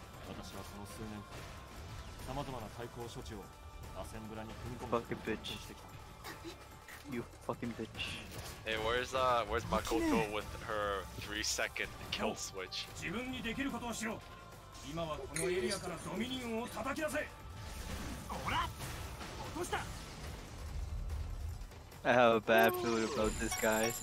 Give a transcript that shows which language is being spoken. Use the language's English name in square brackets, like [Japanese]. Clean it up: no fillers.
[Japanese] 私はその数年、さまざまな対抗処置をアセンブラに踏み込む。 [English] Fucking bitch. You fucking bitch. Hey, where's Makoto with her 3-second kill switch? [Japanese] 自分にできることをしろ。今はこのエリアからドミニオンを叩き出せ。ほら、落とした。 [English] I have a bad feeling about this guy.